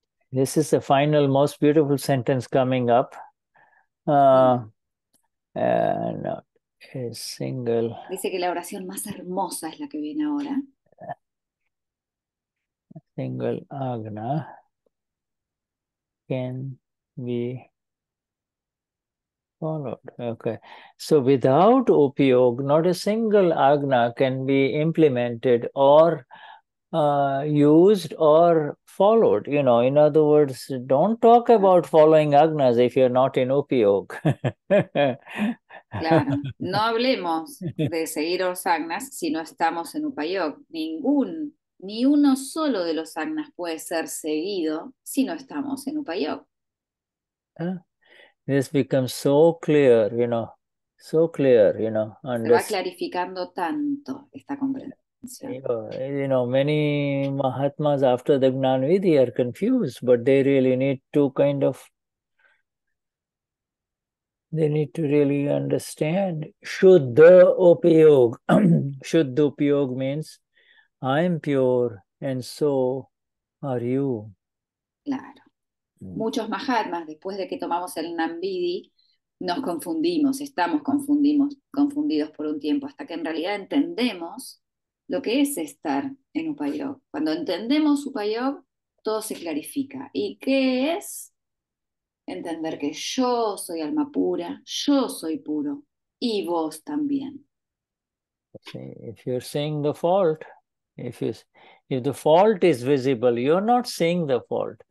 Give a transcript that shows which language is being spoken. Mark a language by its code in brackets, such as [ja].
[en] This is the final, most beautiful sentence coming up. Not a single. [es] Dice que la oración más hermosa es la que viene ahora. [en] A single agna can be followed. Okay. So without upyog, not a single agna can be implemented or used or followed, you know. In other words, don't talk about following agnas if you're not in upyog. [es] Claro. No hablemos de seguir los agnas si no estamos en upayog. Ni uno solo de los agnas puede ser seguido si no estamos en upayog. [en] This becomes so clear, you know. So clear, you know. [es] Se va clarificando tanto esta comprensión. [en] You know, many Mahatmas after the Gnanvidhi are confused, but they really need to really understand Shuddha Upayog. Shuddha Upayog means I am pure and so are you. [es] Claro. Muchos Mahatmas, después de que tomamos el Gnanvidhi, nos confundimos, confundidos por un tiempo, hasta que en realidad entendemos lo que es estar en Upayog. Cuando entendemos Upayog, todo se clarifica. ¿Y qué es? entender que yo soy alma pura, yo soy puro, y vos también. [en] If you're seeing the fault, if the fault is visible, you're not seeing the fault.